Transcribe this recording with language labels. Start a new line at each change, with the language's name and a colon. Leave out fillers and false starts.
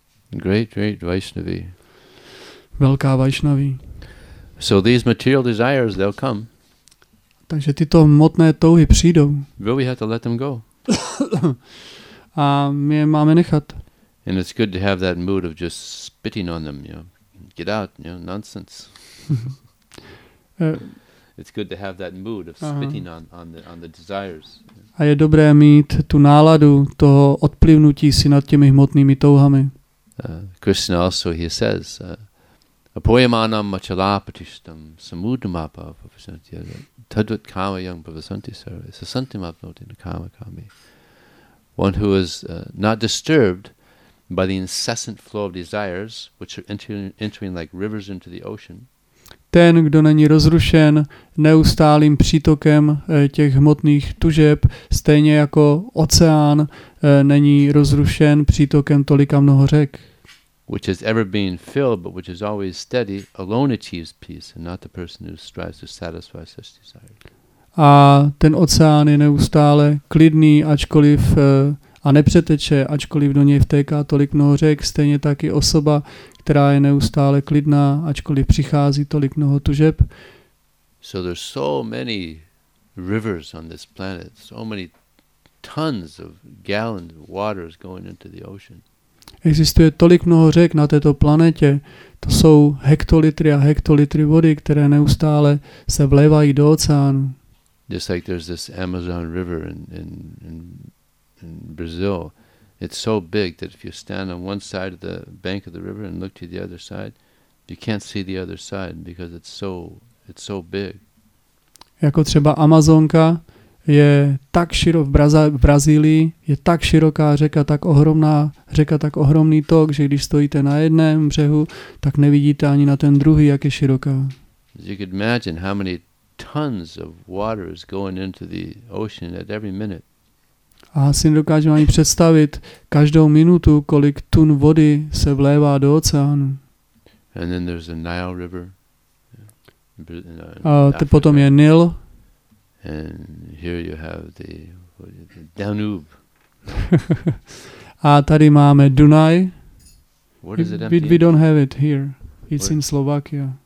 English: Great, great Vaishnavi.
Czech: Velká Vaishnavi.
English: So these material desires, they'll come.
Czech: Takže tyto hmotné touhy přijdou.
English: But we have to let them go.
Czech: A my je máme nechat.
English: And it's good to have that mood of just spitting on them, you know. Get out, you know, nonsense. It's good to have that mood of spitting on the desires.
Czech: A je dobré mít tu náladu toho odplivnutí si nad těmi hmotnými touhami.
English: Krishna also, he says,
Sanskrit: apoyamanam machalapatishtam samudumapa pavasanti tadvat kama yang pavasanti sarva sasantimapnoti nakama kami.
English: One who is not disturbed by the incessant flow of desires which are entering like rivers into the ocean.
Czech: Ten, kdo není rozrušen neustálým přítokem těch hmotných tužeb, stejně jako oceán není rozrušen přítokem tolika mnoho řek.
English: Which is ever being filled, but which is always steady, alone achieves peace, and not the person who strives to satisfy such desires.
Czech: A ten oceán je neustále klidný, ačkoliv a nepřeteče, ačkoliv do něj vtéká tolik mnoho řek, stejně tak i osoba, která je neustále klidná, ačkoliv přichází tolik mnoho tužeb.
English: So there's so many rivers on this planet, so many tons of gallons of water is going into the ocean.
Czech: Existuje tolik mnoho řek na této planetě, to jsou hektolitry a hektolitry vody, které neustále se vlévají do oceánu.
English: Just like there's this Amazon River in Brazil, it's so big that if you stand on one side of the bank of the river and look to the other side, you can't see the other side because it's so big.
Czech: Jako třeba Amazonka je tak široká v Brazílii, je tak široká řeka, tak ohromná řeka, tak ohromný tok, že když stojíte na jedném břehu, tak nevidíte ani na ten druhý, jak je široká.
English: You can imagine how many tons of water is going into the ocean at every minute.
Czech: A si nedokážeme ani představit každou minutu, kolik tun vody se vlévá do oceánu.
English: And then there's a Nile River.
Czech: A potom je Nil.
English: And here you have the Danube.
Czech: A tady máme Dunaj.
English: What is it empty? We don't have it here. It's in Slovakia.